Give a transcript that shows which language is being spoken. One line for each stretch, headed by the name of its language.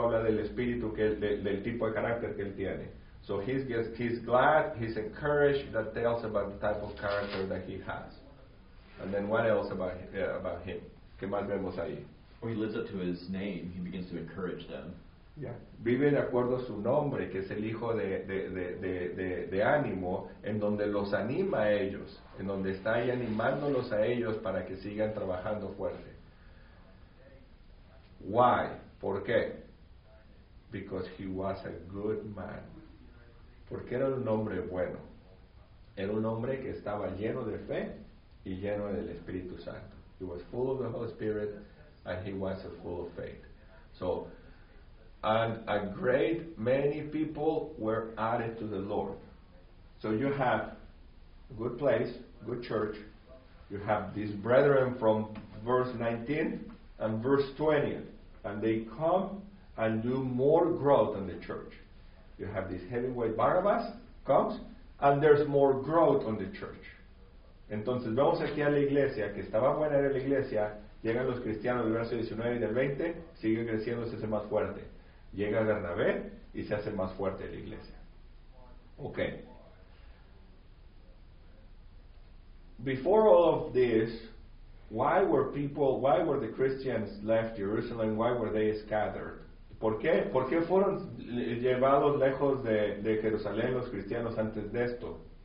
Spanish: Habla del espíritu del tipo de carácter que él tiene.
English: So he's glad. He's encouraged. That tells about the type of character that he has. And then what else about him?
Spanish: ¿Qué más vemos ahí?
English: Well, he lives up to his name. He begins to encourage them. Yeah.
Spanish: Vive de acuerdo a su nombre, que es el hijo de ánimo, en donde los anima a ellos, en donde está ahí animándolos a ellos para que sigan trabajando fuerte.
English: Why?
Spanish: ¿Por qué?
English: Because he was a good man.
Spanish: Porque era un hombre bueno. Era un hombre que estaba lleno de fe y lleno del Espíritu Santo.
English: He was full of the Holy Spirit and he was full of faith. So, and a great many people were added to the Lord. So you have a good place, good church. You have these brethren from verse 19 and verse 20, and they come and do more growth in the church. You have this heavyweight Barnabas comes, and there's more growth on the church.
Spanish: Entonces vemos aquí a la iglesia, que estaba buena era la iglesia, llegan los cristianos del verso 19 y del 20, sigue creciendo, se hace más fuerte. Llega Bernabé y se hace más fuerte la iglesia. Ok.
English: Before all of this, why were the Christians left Jerusalem? Why were they scattered?
Spanish: ¿Por qué? ¿Por qué fueron llevados lejos de Jerusalén los cristianos antes de esto?